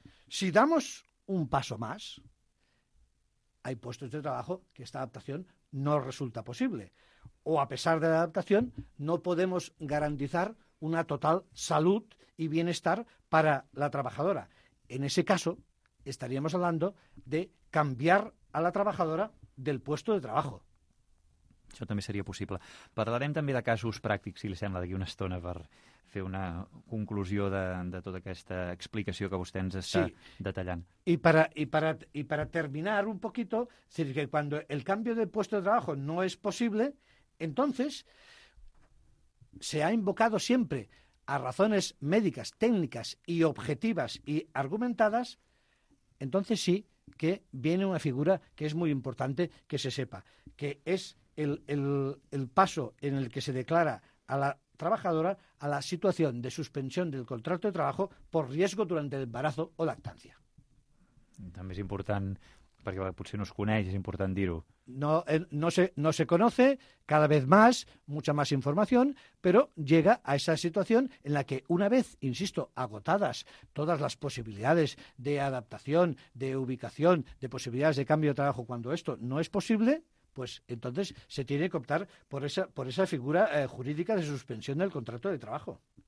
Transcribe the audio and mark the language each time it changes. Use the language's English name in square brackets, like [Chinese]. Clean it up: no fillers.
[Spanish] Si damos un paso más, hay puestos de trabajo que esta adaptación no resulta posible. O a pesar de la adaptación, no podemos garantizar una total salud y bienestar para la trabajadora. En ese caso, estaríamos hablando de cambiar a la trabajadora del puesto de trabajo. [Catalan] Això també seria possible. Parlarem també de casos pràctics, si li sembla, d'aquí una estona per fer una conclusió de tota aquesta explicació que vostè ens està, sí, detallant. [Spanish] Y para terminar un poquito, es decir, que cuando el cambio de puesto de trabajo no es posible, entonces se ha invocado siempre a razones médicas, técnicas y objetivas y argumentadas, entonces sí que viene una figura que es muy importante que se sepa, que es el paso en el que se declara a la trabajadora a la situación de suspensión del contrato de trabajo por riesgo durante el embarazo o lactancia. [Catalan] També és important, perquè potser no es coneix, és important dir-ho. [Spanish] No se conoce, cada vez más, mucha más información, pero llega a esa situación en la que una vez, insisto, agotadas todas las posibilidades de adaptación, de ubicación, de posibilidades de cambio de trabajo cuando esto no es posible, pues entonces se tiene que optar por esa figura jurídica de suspensión del contrato de trabajo.